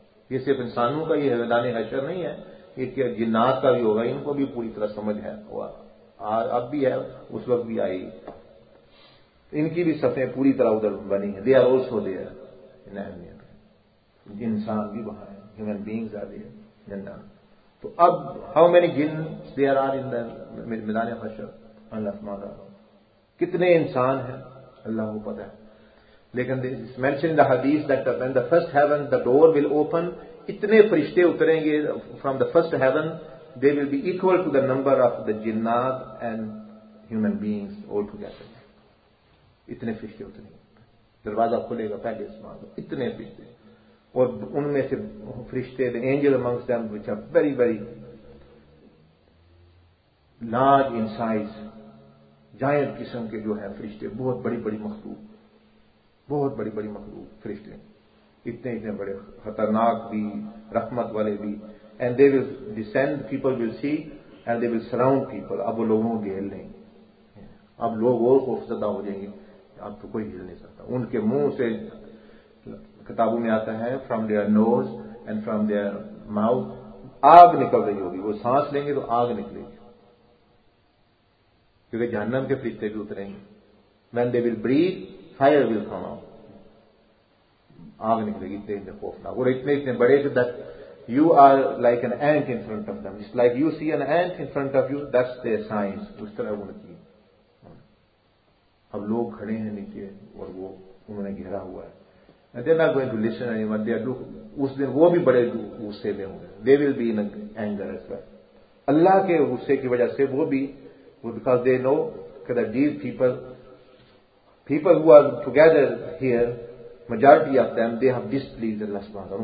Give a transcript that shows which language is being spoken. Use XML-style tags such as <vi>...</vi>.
<ur>یہ صرف انسانوں کا, یہ میدان حشر نہیں ہے, یہ کیا جنات کا بھی ہوگا, ان کو بھی پوری طرح سمجھ ہے, اب بھی ہے اس وقت بھی آئی, ان کی بھی صفیں پوری طرح ادھر بنی ہیں.</ur> <en>they are also there in اہمیت,</en> <ur>انسان بھی وہاں ہے,</ur> <en>Human beings are there.</en> <ur>تو اب</ur> <en>how many جن there are in</en> <ur>میدان حشر, اللہ سبحانہ وتعالیٰ کتنے انسان ہیں اللہ کو پتہ ہے.</ur> <en>لیکن it's mentioned in the حدیث that when the first heaven the door will open,</en> <ur>اتنے فرشتے اتریں گے</ur> <en>From the first heaven, they will be equal to the number of the جنات and human beings all together.</en> <ur>اتنے فرشتے اتریں گے, دروازہ کھلے گا پہلے اسمان, اتنے فرشتے, اور ان میں سے فرشتے</ur> <en>the angel amongst them which are very very large in size,</en> <ur>joint قسم کے جو ہیں فرشتے, بہت بڑی بڑی مخلوق, بہت بڑی بڑی مخلوق فرشتے, اتنے اتنے بڑے, خطرناک بھی, رحمت والے بھی.</ur> <en>And they will descend, people will see and they will surround people.</en> <ur>اب وہ لوگوں کو گھیر لیں, اب لوگ اور خوفزدہ ہو جائیں گے, اب تو کوئی گھیر نہیں سکتا. ان کے منہ سے کتابوں میں آتا ہے</ur> <en>from their nose and from their mouth</en> <ur>آگ نکل رہی ہوگی, وہ سانس لیں گے تو آگ نکلے گی, کیونکہ جہنم کے فرشتے بھی اتریں گے.</ur> <en>when they will breathe fire will come out,</en> <ur>آگ نکلے گی, اتنے اتنے خوفناک, اور اتنے اتنے بڑے کہ</ur> <en>That you are like an اینٹ in front of them, like you C N اینٹ in front of you, that's their science.</en> <ur>اس طرح ان کی, اب لوگ کھڑے ہیں نیچے اور وہ انہوں نے گھیرا ہوا ہے.</ur> <en>And they're not going to listen anymore. They are look,</en> <ur>us din wo bhi bade gusse mein honge,</ur> <en>they will be in anger as well.</en> <ur>Allah ke gusse ki wajah se wo bhi,</ur> <en>because they know that these people who are together here, majority of them, they have displeased Allah subhanahu wa ta'ala.</en>